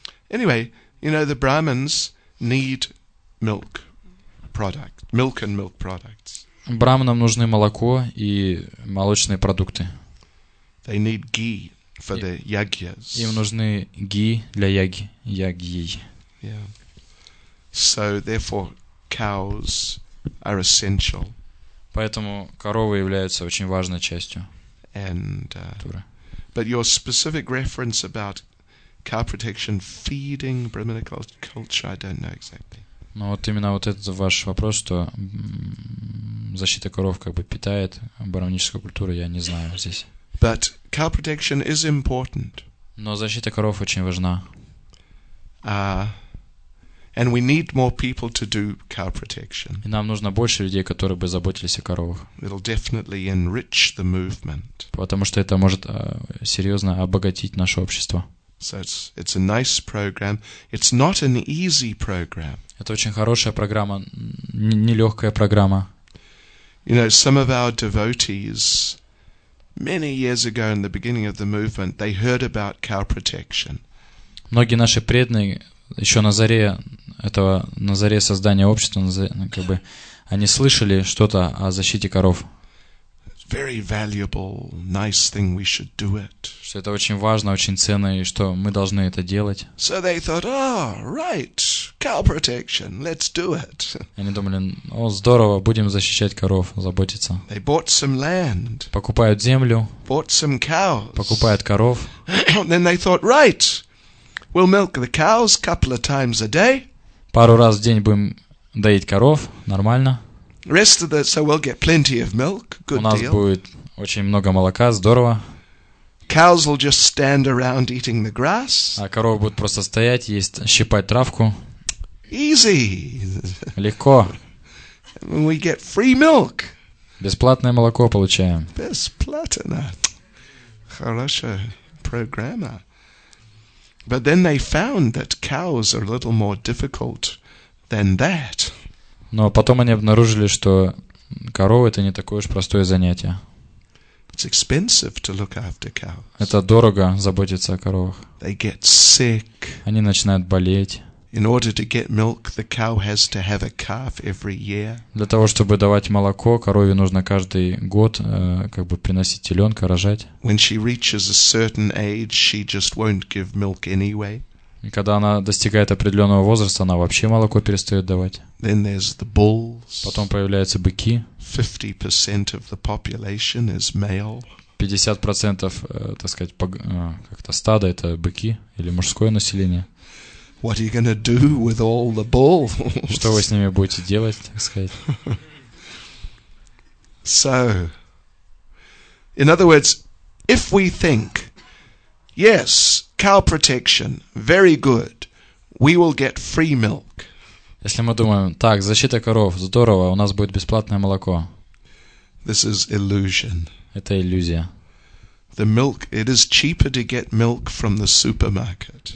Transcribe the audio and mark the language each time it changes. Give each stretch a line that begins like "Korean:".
English: Anyway, you know, the Brahmins need milk product, milk and milk products.
Russian: Брахманам нужны молоко и молочные продукты.
English: They need ghee for the yagyas.
Russian: Им нужны ги для ягьи.
English: Yeah. So therefore cows are essential.
Russian: Поэтому коровы являются очень важной частью.
English: And but your specific reference about cow protection feeding Brahminical culture, I don't know exactly.
Russian: Но вот именно вот этот ваш вопрос, что защита коров как бы питает брахманическую культуру, я не знаю здесь.
English: But cow protection is important.
Russian: Но защита коров очень важна.
English: And we need more people to do cow protection.
Russian: И нам нужно больше людей, которые бы заботились о коровах.
English: It'll definitely enrich the movement.
Russian: Потому что это может серьезно обогатить наше общество.
English: So it's a nice program. It's not an easy program.
Russian: Это очень хорошая программа, нелегкая программа.
English: You know, some of our devotees many years ago in the beginning of the movement, they heard about cow protection.
Russian: Многие наши преданные еще на заре этого, на заре создания общества, как бы, они слышали что-то о защите коров.
English: Very valuable, nice thing, we should do it.
Russian: Что это очень важно, очень ценно, и что мы должны это делать.
English: So they thought, oh, right, cow protection, let's do it.
Russian: Они думали, о, здорово, будем защищать коров, заботиться.
English: They bought some land.
Russian: Покупают землю.
English: Bought some cows.
Russian: Покупают коров.
English: Then they thought, right, we'll milk the cows a couple of times a day.
Russian: Пару раз в день будем доить коров, нормально.
English: Rest of the, so we'll get plenty of milk, good deal.
Russian: У нас будет очень много молока, здорово.
English: Cows will just stand around eating the grass.
Russian: А коровы будут просто стоять, есть, щипать травку.
English: Easy.
Russian: Легко.
English: We get free milk.
Russian: Бесплатное молоко получаем. Бесплатно. Хорошая программа.
English: But then they found that cows are a little more difficult than that.
Russian: Но потом они обнаружили, что коровы — это не такое уж простое занятие.
English: It's expensive to look after cows.
Russian: Это дорого заботиться о коровах.
English: They get sick.
Russian: Они начинают болеть.
English: In order to get milk, the cow has to have a calf every year.
Russian: Для того, чтобы давать молоко, корове нужно каждый год как бы приносить теленка, рожать.
English: When she reaches a certain age, she just won't give milk anyway.
Russian: И когда она достигает определенного возраста, она вообще молоко перестает давать.
English: Then there's the bulls.
Russian: Потом появляются быки.
English: 50% of the population is male.
Russian: 50%, так сказать, как-то стада — это быки или мужское население.
English: What are you gonna do with all the bulls?
Russian: Что вы с ними будете делать, так сказать?
English: So, in other words, if we think, yes, cow protection, very good, we will get free milk.
Russian: Если мы думаем, так, защита коров, здорово, у нас будет бесплатное молоко.
English: This is illusion.
Russian: Это иллюзия.
English: The milk, it is cheaper to get milk from the supermarket.